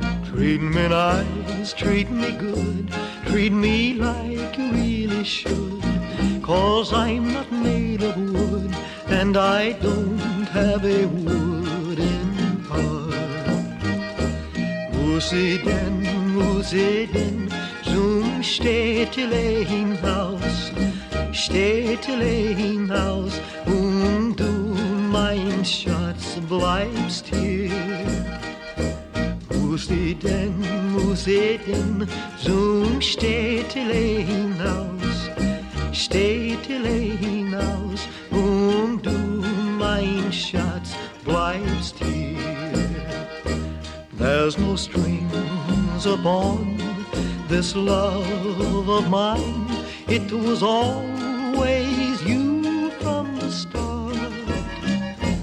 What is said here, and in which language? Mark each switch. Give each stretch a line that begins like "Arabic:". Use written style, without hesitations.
English: Treat me nice, treat me good, treat me like you really should, 'cause I'm not made of wood and I don't have a wooden heart.
German: Muss ich denn zum Städtelehinhaus, Städtelehinhaus, und du mein Schatz bleibst hier. Muss ich denn zum Städtele hinaus, Städtele hinaus, und du mein Schatz bleibst hier.
English: There's no strings upon this love of mine, it was always you from the start.